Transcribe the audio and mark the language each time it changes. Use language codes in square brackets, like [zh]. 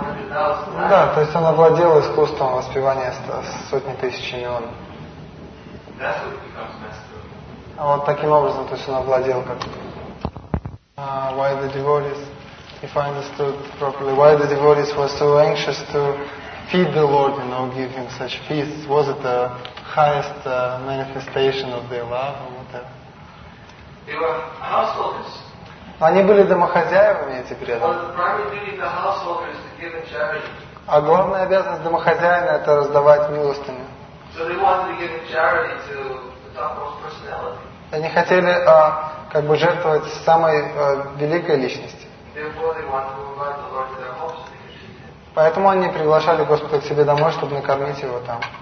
[ru] Да, то есть он овладел искусством воспевания сотни тысяч имен. А вот таким образом, то есть он овладел как. [en] Why the devotees, if I understood properly, why the devotees were so anxious to feed the Lord, you know, give him such feast? Was it the highest manifestation of their love or whatever? They were householders. [ru] Они были домохозяевами, эти преданные. [en] The primary duty of the householder is to give and charity. [ru] А главная обязанность домохозяина — это раздавать милостыню. [en] So they wanted to give charity to the topmost personality. [ru] Они хотели как бы жертвовать самой великой личности. [en] Therefore they wanted to invite the Lord to their homes. [ru] Поэтому они приглашали Господа к себе домой, чтобы накормить его там.